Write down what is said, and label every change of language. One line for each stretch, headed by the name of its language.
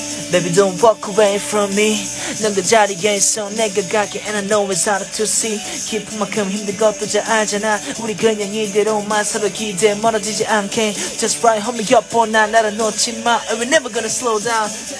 English: Baby, don't walk away from me.
Korean: 넌 그 자리에 있어. 내가 갈게.
English: And I know it's hard to see.
Korean: 깊은 만큼 힘든 것도 잘 알잖아. 우리 그냥 이대로만 서로 기대 멀어지지 않게.
English: Just right, hold me up for now.
Korean: 나를 놓지 마.
English: And we're never gonna slow down.